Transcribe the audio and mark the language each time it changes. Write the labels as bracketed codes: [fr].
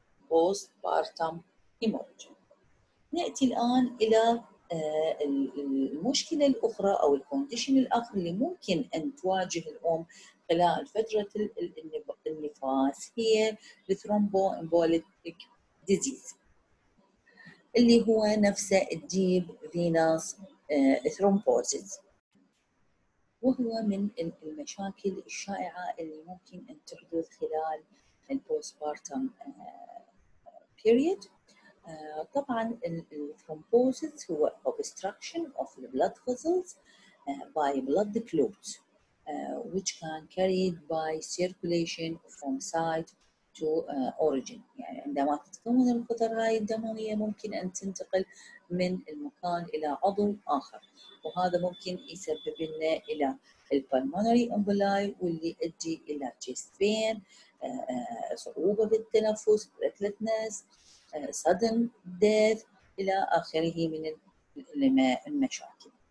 [ar] بوستبارتم هيموريج نأتي الآن إلى المشكلة الأخرى أو الكونديشن الآخر اللي ممكن أن تواجه الأم خلال فترة النفاس، هي الثرومبوإمبوليك ديزيز اللي هو نفسه الديب فيناس ثرومبوزيز، وهو من المشاكل الشائعة اللي ممكن أن تحدث خلال البوستبارتم بيريد. طبعاً الثرومبوزيز هو [en] obstruction of the blood vessels by blood clots which can carried by circulation from site to origin. [ar] يعني عندما تتكون القطرات الدموية ممكن أن تنتقل من المكان إلى عضو آخر، وهذا ممكن يسبب لنا إلى [en] pulmonary emboli [ar] واللي يؤدي إلى [en] chest pain، [ar] صعوبة بالتنفس، breathlessness، [en] sudden death [ar] إلى آخره من المشاكل.